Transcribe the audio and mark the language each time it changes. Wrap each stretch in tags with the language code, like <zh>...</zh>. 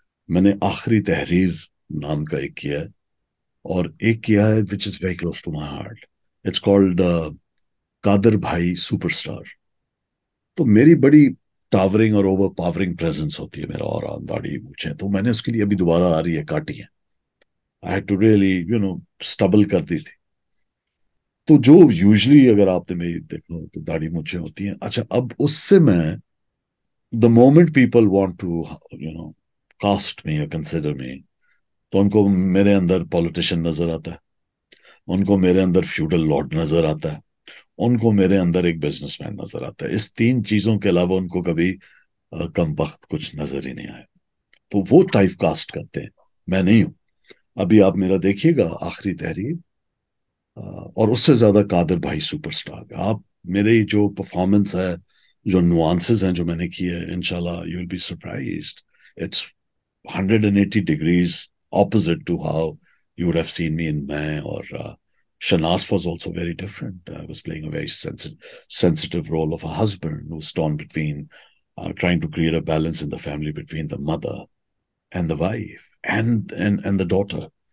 <hi>मैंने आखिरी तहरीर नाम का एक किया है और एक किया है</hi> <en>Which is very close to my heart. It's called</en> <hi>Kader भाई सुपरस्टार. तो मेरी बड़ी टावरिंग और ओवर पावरिंग प्रेजेंस होती है, मेरा और दाढ़ी मूछे. तो मैंने उसके लिए अभी दोबारा आ रही है काटी है.</hi> <en>I had to really, you know, stubble</en> <hi>कर दी थी. तो जो यूजली अगर आपने मेरी देखो तो दाढ़ी मूछे होती है. अच्छा, अब उससे मैं,</hi> <en>the moment people want to you know cast me या consider me,</en> <hi>तो उनको मेरे अंदर पॉलिटिशियन नजर आता है, उनको मेरे अंदर फ्यूडल लॉर्ड नजर आता है, उनको मेरे अंदर एक बिजनेस मैन नजर आता है. इस तीन चीजों के अलावा उनको कभी कम बख्त कुछ नजर ही नहीं आया. तो वो टाइप कास्ट करते हैं, मैं नहीं हूं. अभी आप मेरा देखिएगा आखिरी तहरीर, और उससे ज्यादा कादर भाई सुपरस्टार. आप मेरे जो परफॉर्मेंस है, जो नुआंसेस हैं जो मैंने किए, इंशाल्लाह</hi> <en>You will be surprised. It's 180 degrees opposite to how you would have seen me in मैं और Shanaz was also very different. I was playing a very sensitive role of a husband who's torn between trying to create a balance in the family between the mother and the wife and the daughter.</en>